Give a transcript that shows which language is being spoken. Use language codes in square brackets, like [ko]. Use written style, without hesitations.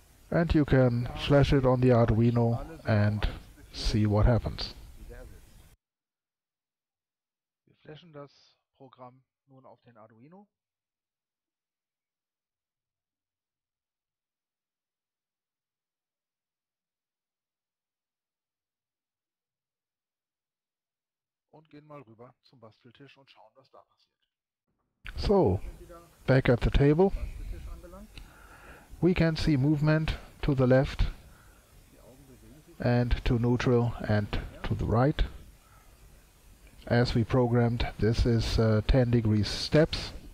[en] And you can flash it on the Arduino and see what happens. [de] Wir flashen das Programm nun auf den Arduino. Und gehen mal rüber zum Basteltisch und schauen, was da passiert. [en] So, back at the table. We can see movement to the left and to neutral and to the right. As we programmed, this is 10 degrees steps.